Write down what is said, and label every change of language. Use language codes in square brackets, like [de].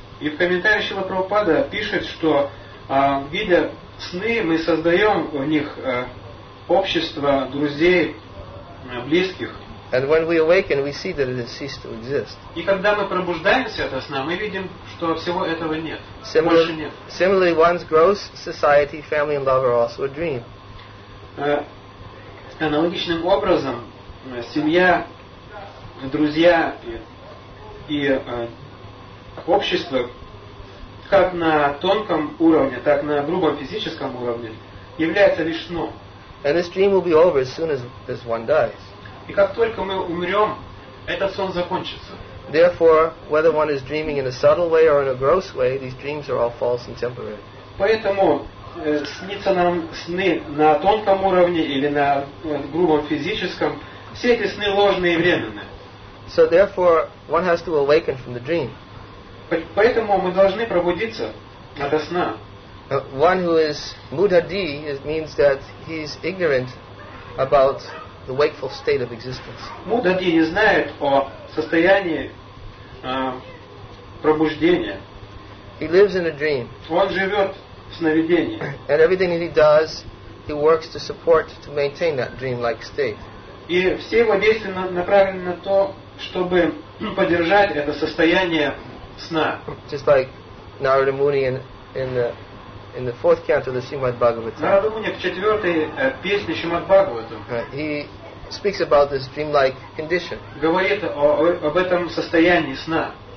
[ru] И в комментариях Шрила Прабхупада пишет, что видя сны, мы создаем в них общество, друзей, близких. [en] And when we awaken, we see that it has ceased to exist. [ru] И когда мы пробуждаемся от сна, мы видим, что всего этого нет. [en] Similarly, one's gross society, family and love are also a dream. [ru] Аналогичным образом, семья, друзья и общество, как на тонком уровне, так на грубом физическом уровне, является лишь сном. [en] And this dream will be over as soon as one dies. [ru] И как только мы умрем, этот сон закончится. [en] Therefore, whether one is dreaming in a subtle way or in a gross way, these dreams are all false and temporary. [ru] Поэтому снится нам сны на тонком уровне или на грубом физическом. Все эти сны ложные и временные. [en] So therefore, one has to awaken from the dream. [ru] Поэтому мы должны пробудиться от сна. [en] One who is mudhadi, it means that he is ignorant about the wakeful state of existence. [ru] Mudhadi не знает о состоянии пробуждения. [en] He lives in a dream. [ru] Он живет. [en] And everything that he does, he works to support, to maintain that dreamlike state. [ru] И все его действия направлены на то, чтобы поддержать это состояние сна. [en] Just like Narada Muni in the fourth canto of the Srimad Bhagavatam. [ru] Narada Muni в четвертой песне Srimad Bhagavatam. [en] He speaks about this dreamlike condition. [ru] Говорит об этом состоянии сна.